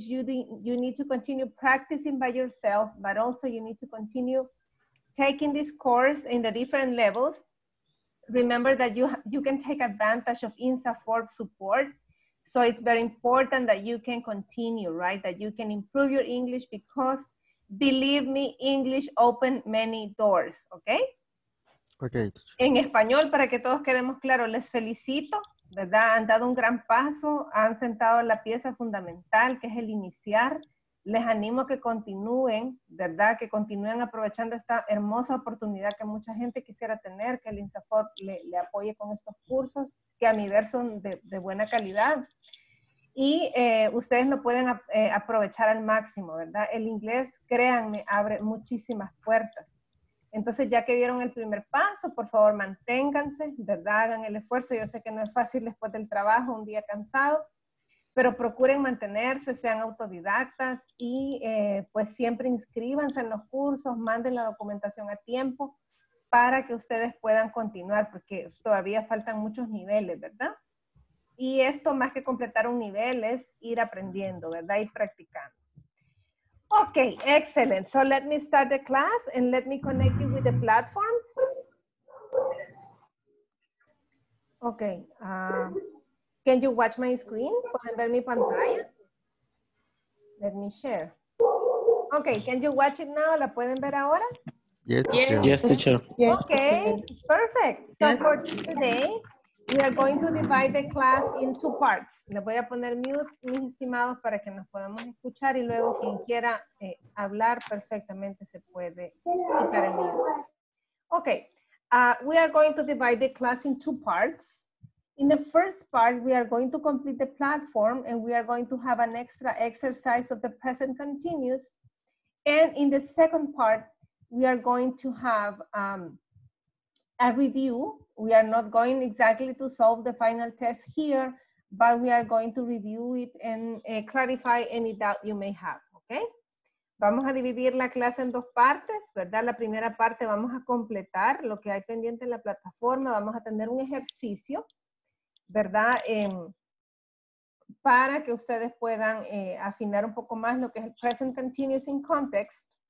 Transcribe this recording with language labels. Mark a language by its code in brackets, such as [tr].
[en] You need to continue practicing by yourself, but also you need to continue taking this course in the different levels. Remember that you can take advantage of INSAFORP support. So it's very important that you can continue, right? That you can improve your English because, believe me, English opens many doors, okay? Okay. [es] En español, para que todos quedemos claros, les felicito, ¿verdad? Han dado un gran paso, han sentado la pieza fundamental, que es el iniciar. Les animo a que continúen, ¿verdad? Que continúen aprovechando esta hermosa oportunidad que mucha gente quisiera tener, que el INSAFORP le apoye con estos cursos, que a mi ver son de buena calidad. Y ustedes lo pueden aprovechar al máximo, ¿verdad? El inglés, créanme, abre muchísimas puertas. Entonces, ya que dieron el primer paso, por favor, manténganse, ¿verdad? Hagan el esfuerzo. Yo sé que no es fácil después del trabajo, un día cansado, pero procuren mantenerse, sean autodidactas y pues siempre inscríbanse en los cursos, manden la documentación a tiempo para que ustedes puedan continuar, porque todavía faltan muchos niveles, ¿verdad? Y esto, más que completar un nivel, es ir aprendiendo, ¿verdad? Ir practicando. [en] Okay, excellent. So let me start the class and let me connect you with the platform. Okay, can you watch my screen? [es] ¿Pueden ver mi pantalla? [en] Let me share. Okay, can you watch it now? [es] ¿La pueden ver ahora? [en] Yes, teacher. Yes, teacher. Okay, perfect. So for today, we are going to divide the class in two parts. [es] Le voy a poner mute, mis estimados, para que nos podamos escuchar y luego quien quiera hablar perfectamente se puede quitar el mute. [en] Okay, we are going to divide the class in two parts. In the first part, we are going to complete the platform and we are going to have an extra exercise of the present continuous. And in the second part, we are going to have a review. We are not going exactly to solve the final test here, but we are going to review it and clarify any doubt you may have, okay? [es] Vamos a dividir la clase en dos partes, ¿verdad? La primera parte vamos a completar lo que hay pendiente en la plataforma. Vamos a tener un ejercicio, ¿verdad? Para que ustedes puedan afinar un poco más lo que es el present continuous in context.